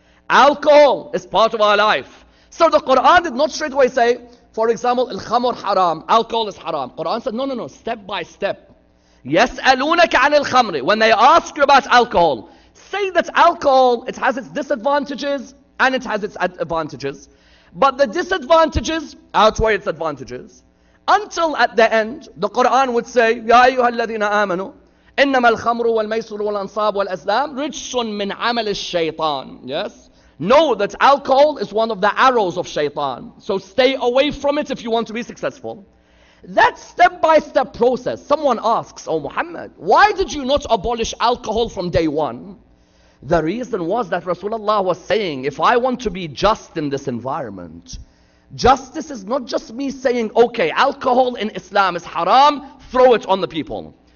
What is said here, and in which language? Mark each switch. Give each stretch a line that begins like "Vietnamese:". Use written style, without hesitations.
English: Alcohol is part of our life. So the Quran did not straight away say, for example, al-khamr haram, alcohol is haram. Quran said, no, step by step.
Arabic: يَسْأَلُونَكَ عَنِ الْخَمْرِ
English: When they ask you about alcohol, say that alcohol, it has its disadvantages and it has its advantages. But the disadvantages outweigh its advantages. Until at the end, the Quran would say,
Arabic: يَا أَيُّهَا الَّذِينَ آمَنُوا إِنَّمَا الْخَمْرُ وَالْمَيْسُرُ وَالْأَنصَابُ وَالْأَزْلَامُ رِجْسٌ مِّنْ عَمَلِ الشَّيْطَانِ Yes?
English: Know that alcohol is one of the arrows of shaitan. So stay away from it if you want to be successful. That step-by-step process, someone asks, oh Muhammad, why did you not abolish alcohol from day one? The reason was that Rasulullah was saying, if I want to be just in this environment, justice is not just me saying, okay, alcohol in Islam is haram, throw it on the people.